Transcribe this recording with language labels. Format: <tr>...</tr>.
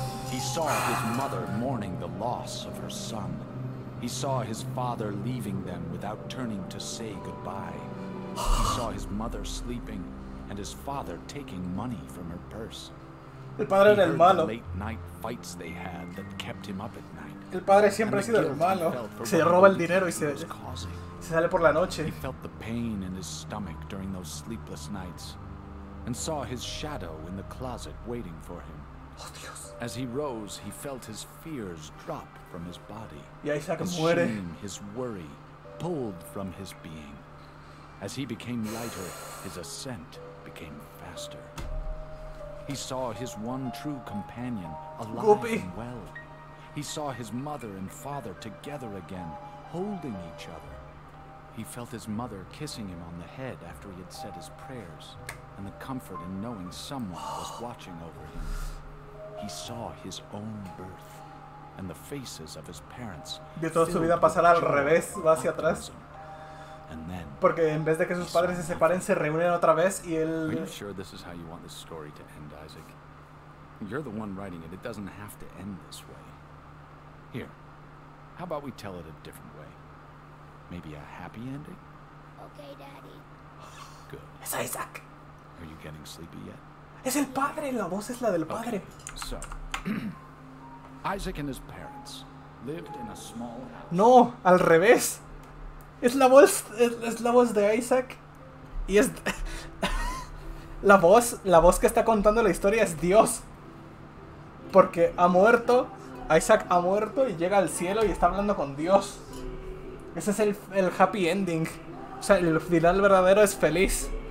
<en>He saw his mother mourning the loss of her son. He saw his father leaving them without turning to say goodbye. He saw his mother sleeping, and his father taking money from her purse.</en> <es>El padre era el malo.</es> <en>Late night fights they had that kept him up at night.</en> <es>El padre siempre ha sido el malo. Se roba el dinero y se sale por la noche.</es> <en>He felt the pain in his stomach during those sleepless nights, and saw his shadow in the closet waiting for him.</en> <es>Oh, Dios.</es> <en>As he rose, he felt his fears drop from his body.</en> <es>Y Isaac muere.</es> <en>Shame, his worry, pulled from his being. As he became lighter, his ascent became faster. He saw his one true companion alive Goopy. And well. He saw his mother and father together again, holding each other. He felt his mother kissing him on the head after he had said his prayers, and the comfort in knowing someone was watching over him. He saw his own birth, and the faces of his parents.</en> <es>De toda su vida pasará al revés, va hacia atrás.</es> <en>And then,</en> <es>porque en vez de que sus padres se separen, se reúnen otra vez y él.</es> <en>Are you sure this is how you want this story to end, Isaac? You're the one writing it. It doesn't have to end this way. Here, how about we tell it a different way? Maybe a happy ending? Okay, Daddy. Good.</en> <es>Es Isaac.</es> <en>Are you getting sleepy yet?</en> <es>Es el padre. La voz es la del padre.</es> <en>Okay. So, Isaac and his parents lived in a small house.</en> <es>No, al revés. Es la voz de Isaac. Y es la voz que está contando la historia es Dios. Porque ha muerto. Isaac ha muerto y llega al cielo y está hablando con Dios. Ese es el</es> <en>happy ending.</en> <es>O sea, el final verdadero es feliz.</es>